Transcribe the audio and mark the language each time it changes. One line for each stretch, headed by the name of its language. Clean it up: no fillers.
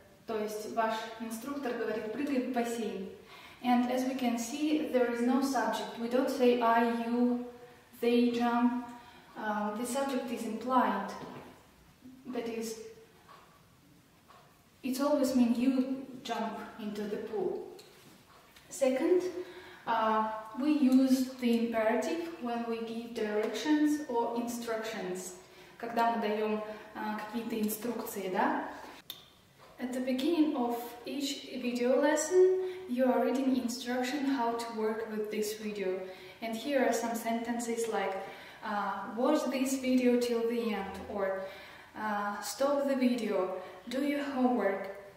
Russian: То есть ваш инструктор говорит прыгай в бассейн.
English: And as we can see, there is no subject. We don't say I, you, they jump. The subject is implied. That is, it always means you jump into the pool. Second, we use the imperative when we give directions or instructions.
Russian: Когда мы даем какие-то инструкции, да?
English: At the beginning of each video lesson, you are reading instructions how to work with this video. And here are some sentences like, watch this video till the end, or stop the video, do your homework.